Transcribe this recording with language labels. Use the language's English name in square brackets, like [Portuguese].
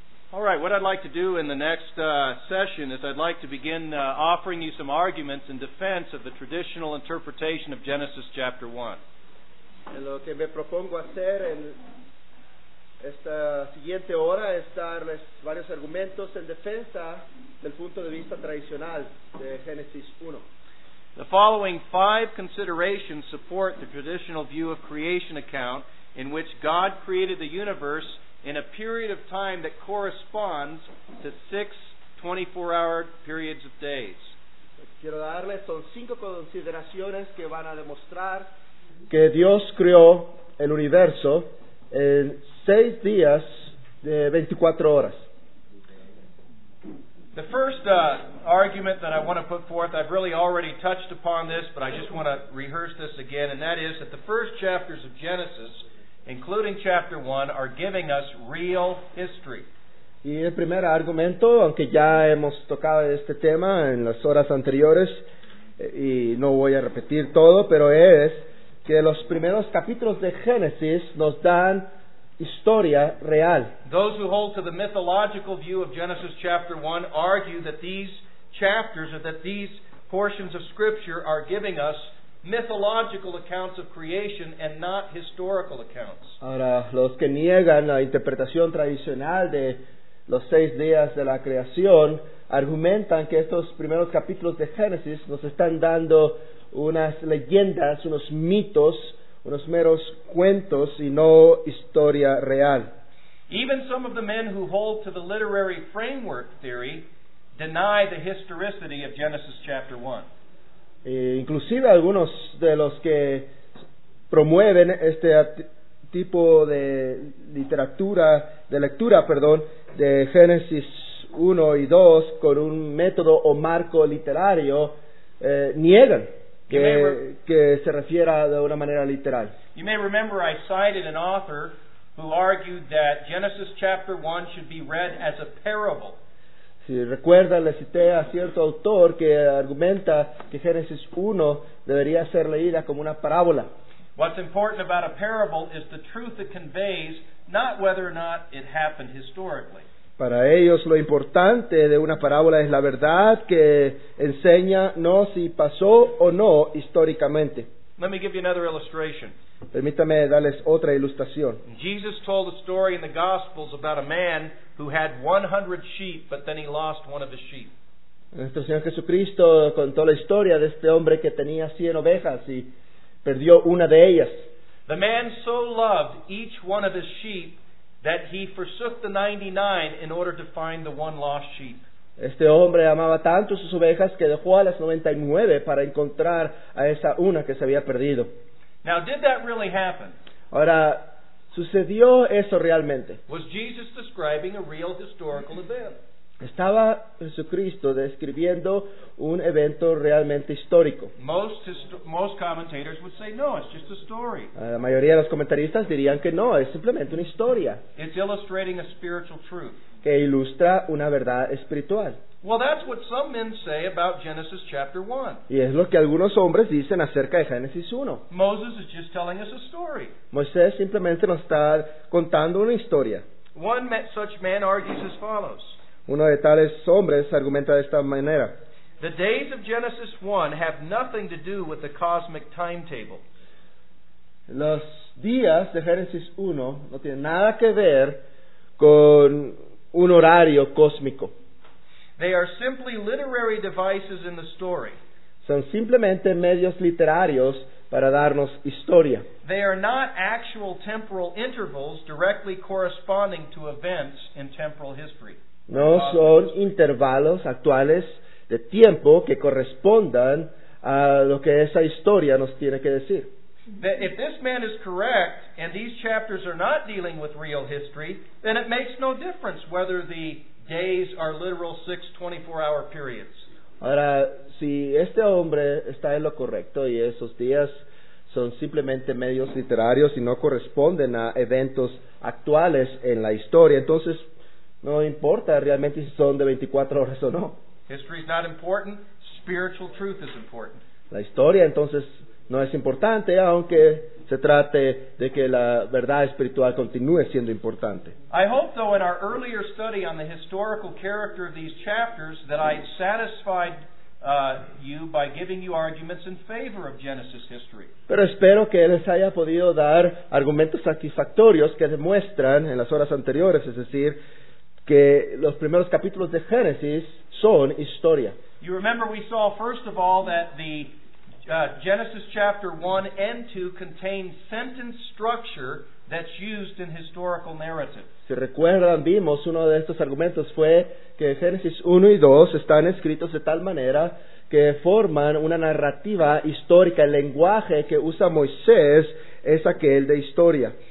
[English] All right, what I'd like to do in the next session is I'd like to begin offering you some arguments in defense of the traditional interpretation of Genesis chapter 1. [Spanish] Lo que me propongo hacer en esta siguiente hora es darles varios argumentos en defensa del punto de vista tradicional de Génesis 1. [English] The following five considerations support the traditional view of creation account in which God created the universe in a period of time that corresponds to 6 24-hour periods of days. [Spanish] Quiero darles son cinco consideraciones que van a demostrar que Dios creó el universo en 6 días de 24 horas. [English] The first argument that I want to put forth, I've really already touched upon this, but I just want to rehearse this again, and that is that the first chapters of Genesis, including chapter 1, are giving us real history. [Spanish] Y el primer argumento, aunque ya hemos tocado este tema en las horas anteriores, y no voy a repetir todo, pero es que los primeros capítulos de Génesis nos dan historia real. [English] Those who hold to the mythological view of Genesis chapter 1 argue that these chapters, or that these portions of Scripture, are giving us mythological accounts of creation and not historical accounts. [Spanish] Ahora, los que niegan la interpretación tradicional de los seis días de la creación argumentan que estos primeros capítulos de Génesis nos están dando unas leyendas, unos mitos, unos meros cuentos y no historia real. [English] Even some of the men who hold to the literary framework theory deny the historicity of Genesis chapter 1. [Spanish] Inclusive algunos de los que promueven este tipo de literatura, de lectura, perdón, de Génesis 1 y 2 con un método o marco literario, niegan que se refiera de una manera literal. [English] You may remember I cited an author who argued that Genesis chapter 1 should be read as a parable. [Spanish] Si recuerdan, le cité a cierto autor que argumenta que Génesis 1 debería ser leída como una parábola. [English] What's important about a parable is the truth it conveys, not whether or not it happened historically. [Spanish] Para ellos lo importante de una parábola es la verdad que enseña, no si pasó o no históricamente. [English] Let me give you another illustration. [Spanish] Permítame darles otra ilustración. [English] Jesus told a story in the Gospels about a man who had 100 sheep, but then he lost one of his sheep. [Spanish] Nuestro Señor Jesucristo contó la historia de este hombre que tenía 100 ovejas y perdió una de ellas. [English] The man so loved each one of his sheep that he forsook the 99 in order to find the one lost sheep. [Spanish] Este hombre amaba tanto sus ovejas que dejó a las 99 para encontrar a esa una que se había perdido. [English] Now, did that really happen? [Spanish] Ahora, ¿sucedió eso realmente? [English] Was Jesus describing a real historical event? [Spanish] ¿Estaba Jesucristo describiendo un evento realmente histórico? [English] Most commentators would say no, it's just a story. [Spanish] La mayoría de los comentaristas dirían que no, es simplemente una historia. [English] It's illustrating a spiritual truth. [Spanish] Que ilustra una verdad espiritual. [English] Well, that's what some men say about Genesis chapter 1. [Spanish] Y es lo que algunos hombres dicen acerca de Génesis 1. [English] Moses is just telling us a story. [Spanish] Moisés simplemente nos está contando una historia. [English] Such man argues as follows. [Spanish] Uno de tales hombres argumenta de esta manera. [English] The days of Genesis 1 have nothing to do with the cosmic timetable. [Spanish] Los días de Génesis 1 no tienen nada que ver con un horario cósmico. [English] They are simply literary devices in the story. [Spanish] Son simplemente medios literarios para darnos historia. [English] They are not actual temporal intervals directly corresponding to events in temporal history. [Spanish] No son intervalos actuales de tiempo que correspondan a lo que esa historia nos tiene que decir. [English] If this man is correct and these chapters are not dealing with real history, then it makes no difference whether the days are literal 6 24-hour periods. [Spanish] Ahora, si este hombre está en lo correcto y esos días son simplemente medios literarios y no corresponden a eventos actuales en la historia, entonces no importa realmente si son de 24 horas o no. [English] History is not important. Spiritual truth is important. [Spanish] La historia entonces no es importante, aunque se trate de que la verdad espiritual continúe siendo importante. [English] I hope, though, in our earlier study on the historical character of these chapters, that I satisfied you by giving you arguments in favor of Genesis history. [Spanish] Pero espero que les haya podido dar argumentos satisfactorios que demuestran en las horas anteriores, es decir, que los primeros capítulos de Génesis son historia. [English] You remember we saw first of all that the Genesis chapter 1 and 2 contain sentence structure that's used in historical narratives. [Spanish] Si recuerdan, vimos uno de estos argumentos fue que Génesis 1 y 2 están escritos de tal manera que forman una narrativa histórica. El lenguaje que usa Moisés es aquel de historia.